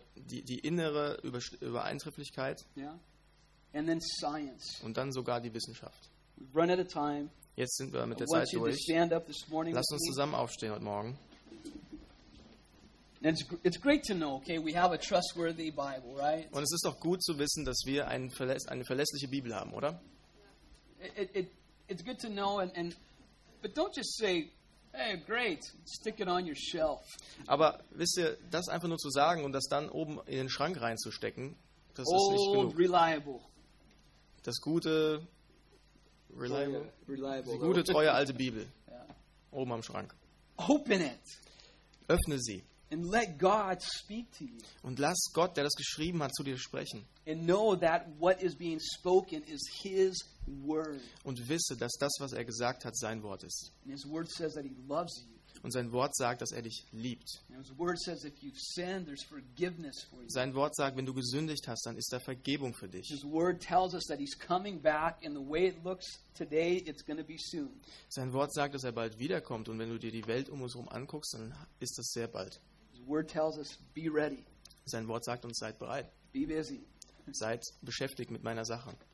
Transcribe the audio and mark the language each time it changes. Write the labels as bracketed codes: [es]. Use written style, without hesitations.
[de] Die innere Übereintrifflichkeit. [en] Yeah. And then science. [de] Und dann sogar die Wissenschaft. [en] We've run out of time. [de] Jetzt sind wir mit der Zeit durch. Lass uns zusammen aufstehen heute Morgen. [en] It's great to know, okay, we have a trustworthy Bible, right? [de] Und es ist doch gut zu wissen, dass wir eine verlässliche Bibel haben, oder? [en] It's good to know, and but don't just say, hey, great, stick it on your shelf. [de] Aber wisst ihr, das einfach nur zu sagen und das dann oben in den Schrank reinzustecken, das ist nicht genug. [en] Old, reliable. [de] Das gute, [en] reliable. [de] Die gute, treue, alte Bibel. Yeah. Oben am Schrank. [en] Open it. [de] Öffne sie. [en] And let God speak to you. [de] Und lass Gott, der das geschrieben hat, zu dir sprechen. [en] And know that what is being spoken is His word. [de] Und wisse, dass das, was er gesagt hat, sein Wort ist. [en] And His word says that He loves you. [de] Und sein Wort sagt, dass er dich liebt. [en] And His word says if you've sinned, there's forgiveness for you. [de] Sein Wort sagt, wenn du gesündigt hast, dann ist da Vergebung für dich. [en] His word tells us that He's coming back, and the way it looks today, it's going to be soon. [de] Sein Wort sagt, dass er bald wiederkommt, und wenn du dir die Welt um uns herum anguckst, dann ist das sehr bald. [en] Word tells us, be ready. [de] Sein Wort sagt uns, seid bereit. [en] Be busy. [de] Seid beschäftigt mit meiner Sache.